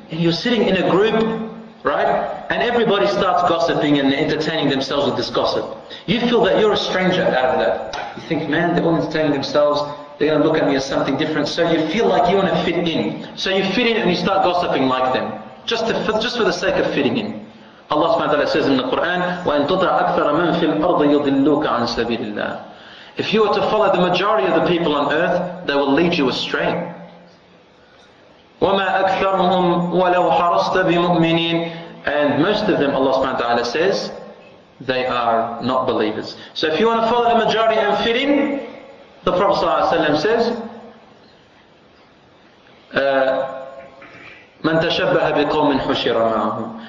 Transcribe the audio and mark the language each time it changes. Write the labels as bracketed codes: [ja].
[en] And you're sitting in a group, right? And everybody starts gossiping and entertaining themselves with this gossip. You feel that you're a stranger out of that. You think, man, they're all entertaining themselves. they're going to look at me as something different. So you feel like you want to fit in. So you fit in and you start gossiping like them. Just for the sake of fitting in. Allah subhanahu wa ta'ala says in the Quran, [ar] وَإِن تُطَعْ أَكْثَرَ مَنْ فِي الْأَرْضِ يُضِلُّكَ عَنْ سَبِيلِ اللَّهِ. [en] If you were to follow the majority of the people on earth, they will lead you astray. [ar] وَمَا أَكْثَرُهُمْ وَلَوْ حَرَصْتَ بِمُؤْمِنِينَ. [en] And most of them, Allah subhanahu wa ta'ala says, they are not believers. So if you want to follow the majority and fit in, the Prophet sallallahu alayhi wa sallam says, [ar] مَنْ تَشَبَّهَ بِقَوْمٍ حُشِرَ مَعَهُمْ.